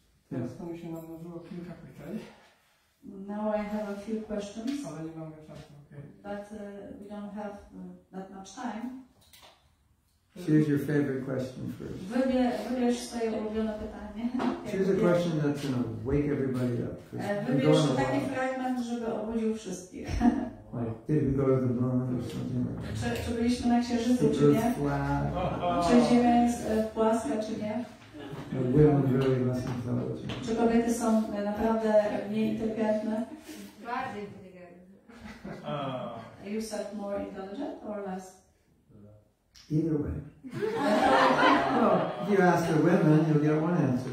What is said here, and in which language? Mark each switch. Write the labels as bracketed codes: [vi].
[pl] Teraz to mi się nałożyło kilka pytań. [en] Now I have a few questions. [pl] Ale nie mamy czasu, okay. [en] But we don't have that much time. Choose your favorite question first. [pl] Wybierz swoje ulubione pytanie. [en] Choose a question that's going to wake everybody up. [pl] Wybierz taki fragment, żeby obudził wszystkich. [en] Like, did we go to the moon or something? [pl] Czy byliśmy na księżycu, czy nie? Czy ziemia jest płaska, czy nie? [en] Women really less intelligent. [pl] Czy kobiety są naprawdę mniej inteligentne? Bardziej inteligentne. [en] You said more intelligent or less? Either way. Well, if you ask the women, you'll get one answer.